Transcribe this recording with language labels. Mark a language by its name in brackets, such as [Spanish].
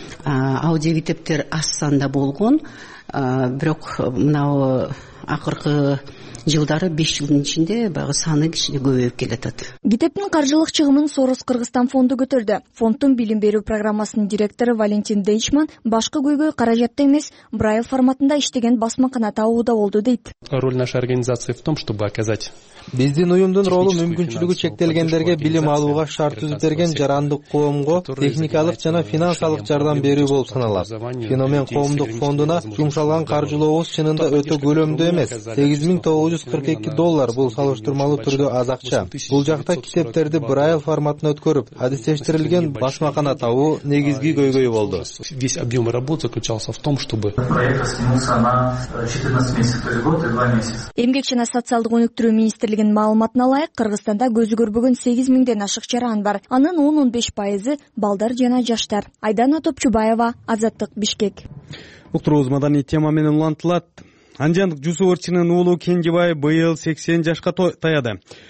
[Kyrgyz] Аудио китептер аз санда болгон, бирок мына акыркы жылдары 5 жылдын ичинде баягы саны кичине көбөйүп келатат. Китептин каржылык чыгымын Сорос Кыргызстан фонду көтөрдү. Фонддун билим берүү программасынын директору Валентин Дейчман башкы көйгөй каражатта эмес Брайл форматында иштеген басма кана табууда болду дейт. [Russian] Роль нашей организации в том, чтобы оказать. [Kyrgyz] Биздин уюмдун ролу мүмкүнчүлүгү чектелгендерге билим алууга шарт түзүп берген жарандык коомго техникалык жана финансалык жардам берүү болуп саналат. Феномен коомдук фондуна жумшалган каржылообуз чынында өтө көлөмдүү эмес. $8,942 бул салыштырмалуу түрдө аз акча. Бул жакта китептерди Брайл форматына өткөрүп, адистештирилген басма кана табуу негизги көйгөй болду. [Russian] Весь объем работы заключался в том, чтобы проект растянулся на 14 месяцев, то есть год и 2 месяца. [Kyrgyz] Эмгек жана социалдык өнүктүрүү министрлигинин маалыматына ылайык, Кыргызстанда көзү көрбөгөн 8000 ашык жаран бар. Анын 10-15% балдар жана жаштар. Айдана Топчубаева, Азаттык, Бишкек. Уктурубуз маданий тема менен улантылат. Анжандык Жусуп Ырчынын уулу Кенжебай быйыл 80 жашка таяды.